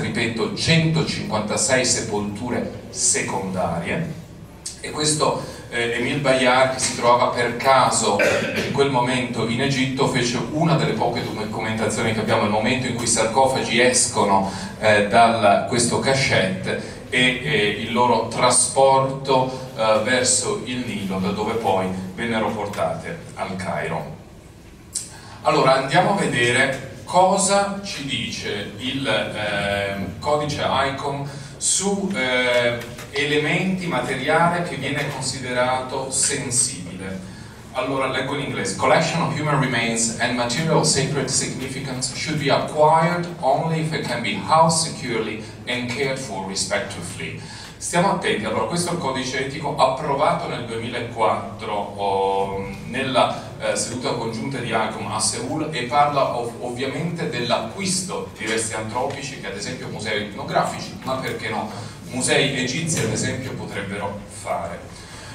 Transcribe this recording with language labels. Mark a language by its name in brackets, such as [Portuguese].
[Italian] Ripeto, 156 sepolture secondarie, e questo Emil Bayard, che si trovava per caso in quel momento in Egitto, fece una delle poche documentazioni che abbiamo al momento in cui i sarcofagi escono da questo cachette, e il loro trasporto verso il Nilo, da dove poi vennero portate al Cairo. Allora andiamo a vedere cosa ci dice il codice ICOM su elementi materiale che viene considerato sensibile. Allora leggo in inglese: [English] collection of human remains and material of sacred significance should be acquired only if it can be housed securely and cared for respectfully. [Italian] Stiamo attenti, allora questo è il codice etico approvato nel 2004 nella seduta congiunta di ICOM a Seul, e parla ovviamente dell'acquisto di resti antropici che ad esempio musei etnografici, ma perché no, musei egizi ad esempio potrebbero fare.